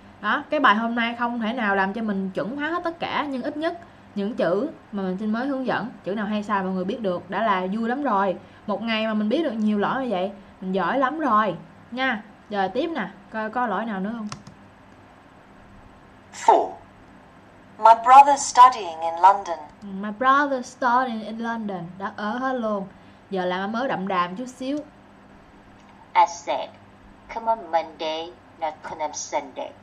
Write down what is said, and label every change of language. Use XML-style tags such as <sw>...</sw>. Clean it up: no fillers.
<vi>Đó, cái bài hôm nay không thể nào làm cho mình chuẩn hóa hết tất cả. Nhưng ít nhất những chữ mà mình xin mới hướng dẫn, chữ nào hay sai mọi người biết được đã là vui lắm rồi. Một ngày mà mình biết được nhiều lỗi như vậy, mình giỏi lắm rồi nha. Rồi tiếp nè, coi có lỗi nào nữa không.</vi> <en>4. My brother's studying in London. My brother's studying in London.</en> <vi>Đã ở hết luôn. Giờ làm mới đậm đàm chút xíu.</vi> <en>I said, come on Monday, not come on Sunday.</en>